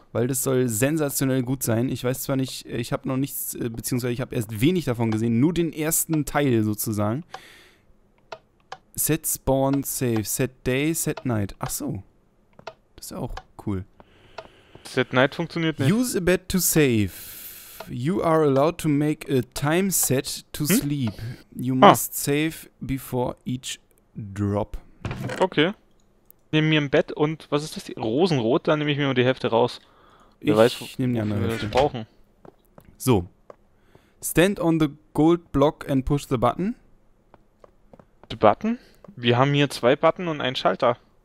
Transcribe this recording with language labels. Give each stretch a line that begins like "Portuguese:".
German: Weil das soll sensationell gut sein. Ich weiß zwar nicht, ich habe noch nichts, beziehungsweise ich habe erst wenig davon gesehen. Nur den ersten Teil sozusagen.
English: Set Spawn Save. Set Day, Set Night.
German: Ach so. Das ist ja auch cool. Set Night funktioniert nicht.
English: Use a bed to save. You are allowed to make a time set to sleep. You must save before each drop. Okay.
German: Nehme mir ein Bett und was ist das? Rosenrot? Dann nehme ich mir nur die Hälfte raus. Ich nehme die andere Hälfte. Wir das brauchen.
English: So. Stand on the gold block and push the button. The button?
German: Wir haben hier zwei Button und einen Schalter.